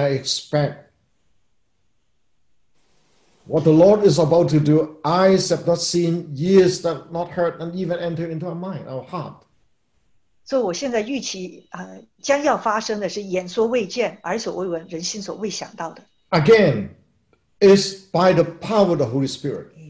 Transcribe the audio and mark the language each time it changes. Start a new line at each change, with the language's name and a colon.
English: I expect what the Lord is about to do, eyes have not seen, ears have not heard, and even enter into our mind, our heart.
Chinese: 所以我现在预期将要发生的是眼所未见，耳所未闻，人心所未想到的。
English: Again, it's by the power of the Holy Spirit.